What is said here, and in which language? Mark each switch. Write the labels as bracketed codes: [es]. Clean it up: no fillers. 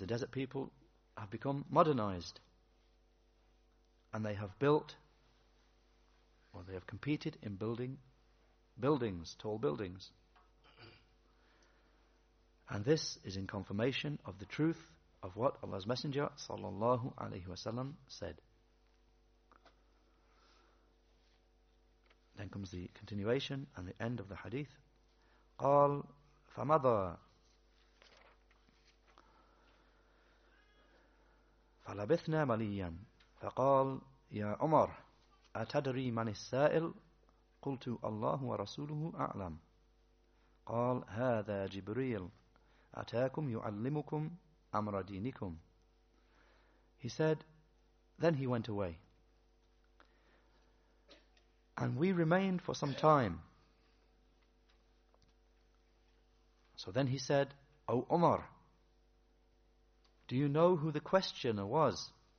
[en] The desert people have become modernized. And they have built, or they have competed in building buildings, tall buildings. And this is in confirmation of the truth of what Allah's Messenger, sallallahu alayhi wasallam, said. Then comes the continuation and the end of the hadith. [ar] قال فمضى فلبثنا مليا فقال يا عمر أتدري من السائل قلت الله ورسوله أعلم قال هذا جبريل أتاكم يعلمكم أمر دينكم. [en] He said, then he went away. And we remained for some time. So then he said, O Umar, do you know who the questioner was?